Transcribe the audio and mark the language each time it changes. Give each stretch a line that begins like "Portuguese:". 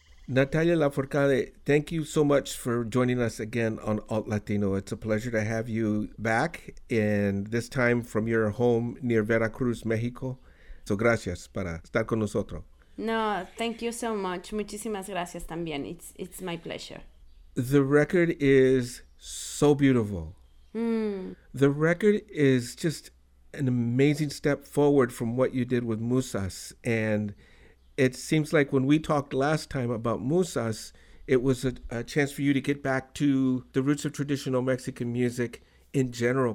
English: Natalia Lafourcade, thank you so much for joining us again on Alt Latino. It's a pleasure to have you back, and this time from your home near Veracruz, Mexico.
Spanish: So gracias para estar con nosotros.
English: No, thank you so much.
Spanish: Muchísimas gracias también.
English: It's my pleasure. The record is so beautiful. The record is just an amazing step forward from what you did with Musas, and it seems like when we talked last time about Musas, it was a chance for you to get back to the roots of traditional Mexican music in general.